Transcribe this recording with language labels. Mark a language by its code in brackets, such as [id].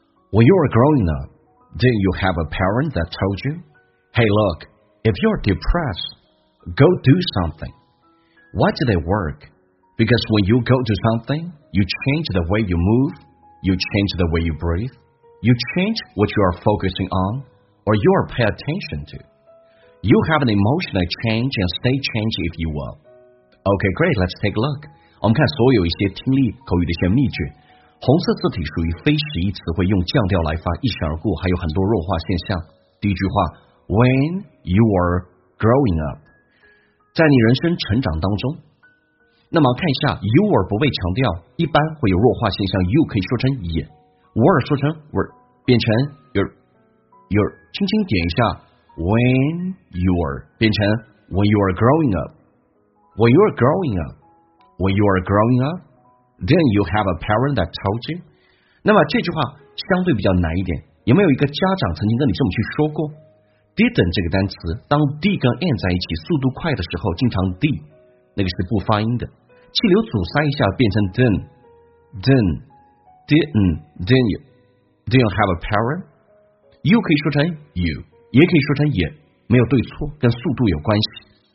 [en] When you were growing up, didn't you have a parent that told you, Hey look, if you're depressed, go do something. Why did it work? Because when you go to something, you change the way you move, you change the way you breathe, you change what you are focusing on, or you are paying attention to. You have an emotional change and state change if you will. Okay, great, let's take a look. [zh] 我们看所有一些听力口语的一些秘诀。红色字体属于非实义词汇，用降调来发一闪而过，还有很多弱化现象。第一句话 , [en] When you are growing up, [zh] 在你人生成长当中，那么看一下 ， [en] you were [zh] 不被强调，一般会有弱化现象。 [en] you [zh] 可以说成 [en] ye， were [zh] 说成 [en] were， [zh] 变成 [en] your， [zh] 轻轻点一下 [en] ，when you were 变成 when you are growing up，when you are growing up，when you are growing up，then you have a parent that told you。 [zh] 那么这句话相对比较难一点，有没有一个家长曾经跟你这么去说过 ？didn't 这个单词，当 d 跟 n 在一起，速度快的时候，经常 d 那个是不发音的。气流阻塞一下变成 [en] didn't have a parent， [zh] you 可以说成 you， 也可以说成也，没有对错，跟速度有关系。